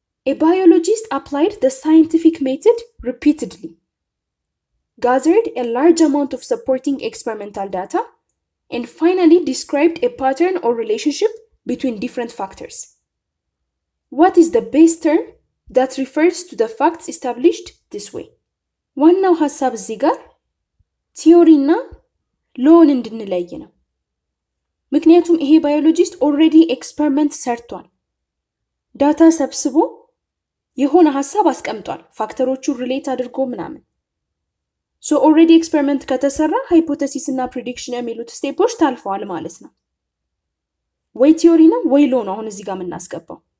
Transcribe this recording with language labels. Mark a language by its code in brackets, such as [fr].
[en] A biologist applied the scientific method repeatedly, gathered a large amount of supporting experimental data, and finally described a pattern or relationship between different factors. What is the best term that refers to the facts established this way? [am] ዋናው ሐሳብ እዚህ ጋር ቲዮሪና ሎን እንድንለይ ነው። ምክንያቱም ይሄ ባዮሎጂስት ኦልሬዲ ኤክስፐሪመንት ሰርቷል፣ ዳታ ሰብስቦ የሆነ ሐሳብ አስቀምጧል፣ ፋክተሮቹ ሪሌት አድርጎ ምናምን። ሶ ኦልሬዲ ኤክስፐሪመንት ከተሰራ ሃይፖቴሲስ እና ፕሪዲክሽን የሚሉት ስቴፖች ታልፈዋል ማለት ነው። ወይ ቲዮሪ ነው ወይ ሎ ነው አሁን እዚህ ጋር የምናስገባው።